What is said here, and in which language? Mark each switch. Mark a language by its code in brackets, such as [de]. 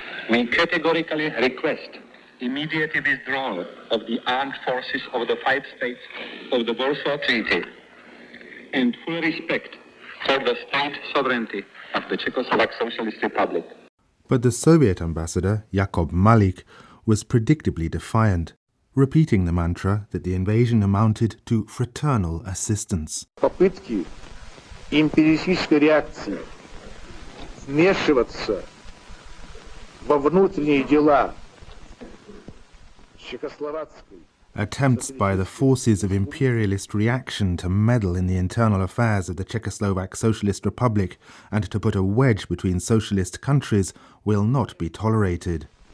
[en] We categorically request immediate withdrawal of the armed forces of the five states of the Warsaw Treaty and full respect for the state sovereignty of the Czechoslovak Socialist Republic. But the Soviet ambassador, Jakub Malík, was predictably defiant, repeating the mantra that the invasion amounted to fraternal assistance. [ru] Попытки империалистической реакции вмешиваться во внутренние дела Чехословацкой. [en] Attempts by the forces of imperialist reaction to meddle in the internal affairs of the Czechoslovak Socialist Republic and to put a wedge between socialist countries will not be tolerated.